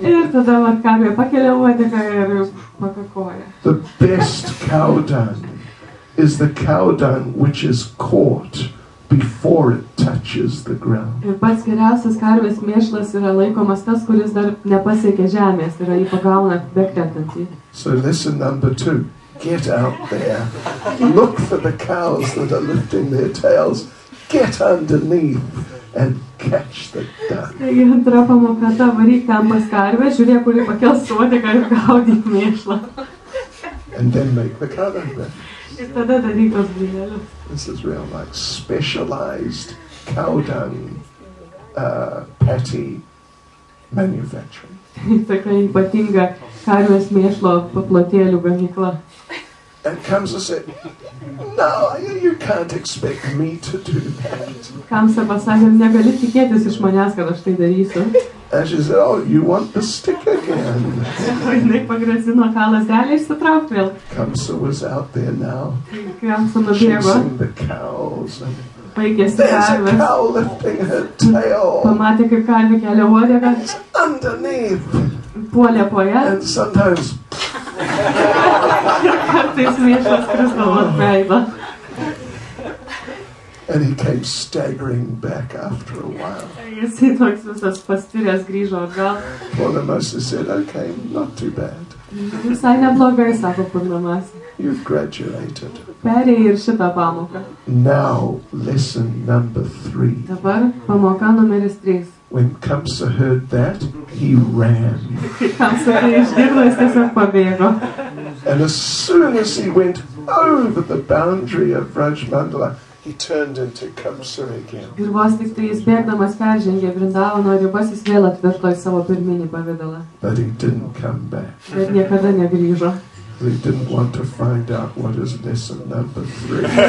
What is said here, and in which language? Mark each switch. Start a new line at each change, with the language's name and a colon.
Lithuanian: Ir tada vat karvė pakelė uodegą ir pakakoja.
English: The best cow dung is the cow dung which is caught before it touches the ground.
Lithuanian: Ir pats geriausias karvės mėšlas yra laikomas tas, kuris dar nepasiekė žemės, yra jį pagauna bekrentantį.
English: So lesson number two. Get out there. Look for the cows that are lifting their tails. Get underneath and catch the dung.
Lithuanian: Taigi antra pamoka ta, varyk ten pas karvę, žiūrėk, kuri pakels uodegą ir gaudyk mėšlą.
English: And then make the cow dung.
Lithuanian: Ir tada daryk tos blynelius.
English: This is real, like specialized cow dung patty manufacturing.
Lithuanian: Tokia ypatinga karvės mėšlo paplotėlių gamykla.
English: And Kamsa said, no, you can't expect me to do that.
Lithuanian: Kamsa pasakė, negali tikėtis iš manęs, kad aš tai darysiu.
English: And she said, oh, you want the stick again.
Lithuanian: Jinai pagrasino, ką lazdelį išsitraukt vėl.
English: Kamsa was out there now.
Lithuanian: Kamsa nubėgo.
English: Chasing the cows.
Lithuanian: Baigėsi karvės.
English: There's a cow lifting her tail.
Lithuanian: Pamatė, kaip karvė kelia uodegą.
English: It's underneath.
Lithuanian: Puolė po ją.
English: And sometimes... And he came staggering back after a while. Purnamasi said, okay, not too bad.
Lithuanian: Visai neblogai, sako Purnamasi.
English: You've graduated.
Lithuanian: Perėjai ir šitą pamoką.
English: Now, lesson number three.
Lithuanian: Dabar pamoka numeris 3.
English: When Kamsa heard that, he ran.
Lithuanian: Kamsa išgirdo, jis tiesiog pabėgo.
English: And as soon as he went over the boundary of Rajmandala, he turned into Kamsa again.
Lithuanian: Ir vos tik tai jis bėgdamas peržengė Vrindavano ribas, jis vėl atvirto į savo pirminį pavidalą.
English: But he didn't come back.
Lithuanian: Bet niekada negrįžo.
English: They didn't want to find out what is lesson number 3.